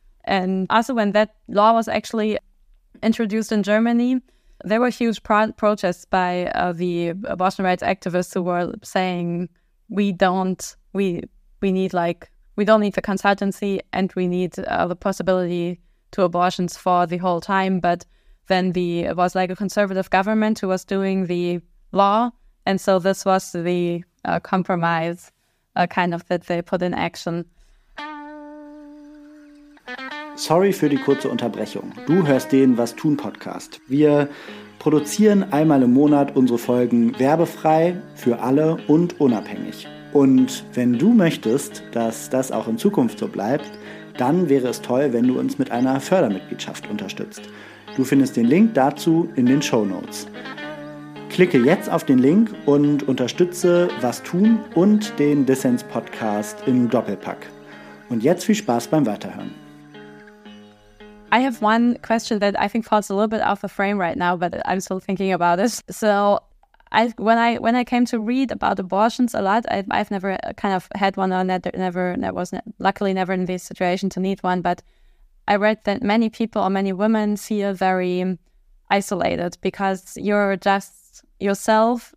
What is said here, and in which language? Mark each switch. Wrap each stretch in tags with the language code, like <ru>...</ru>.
<en>And also when that law was actually introduced in Germany, there were huge protests by the abortion rights activists who were saying, we don't need the consultancy and we need the possibility to abortions for the whole time. But then it was like a conservative government who was doing the law. And so this was the compromise kind of that they put in action.</en> <de>Sorry für die kurze Unterbrechung. Du hörst den Was tun Podcast. Wir produzieren einmal im Monat unsere Folgen werbefrei für alle und unabhängig. Und wenn du möchtest, dass das auch in Zukunft so bleibt, dann wäre es toll, wenn du uns mit einer Fördermitgliedschaft unterstützt. Du findest den Link dazu in den Shownotes. Klicke jetzt auf den Link und unterstütze Was tun und den Dissens Podcast im Doppelpack. Und jetzt viel Spaß beim Weiterhören.</de> <en>I have one question that I think falls a little bit off the frame right now, but I'm still thinking about it. So when I came to read about abortions a lot, I've never kind of had one or never in this situation to need one. But I read that many people or many women feel very isolated because you're just yourself.</en>